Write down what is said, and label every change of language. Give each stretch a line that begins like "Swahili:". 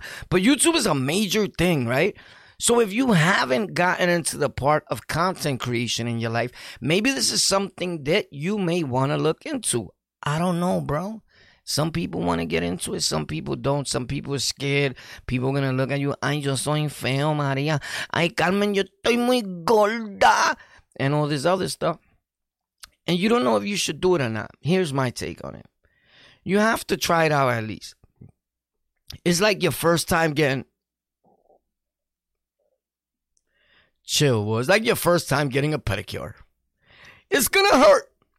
English: But YouTube is a major thing, right? So if you haven't gotten into the part of content creation in your life, maybe this is something that you may want to look into. I don't know, bro. Some people want to get into it. Some people don't. Some people are scared. People are going to look at you.
Spanish: Ay, yo soy feo, Maria. Ay, Carmen, yo estoy muy gorda.
English: And all this other stuff. And you don't know if you should do it or not. Here's my take on it. You have to try it out at least. It's like your first time getting... Chill, boy. It's like your first time getting a pedicure. It's gonna hurt.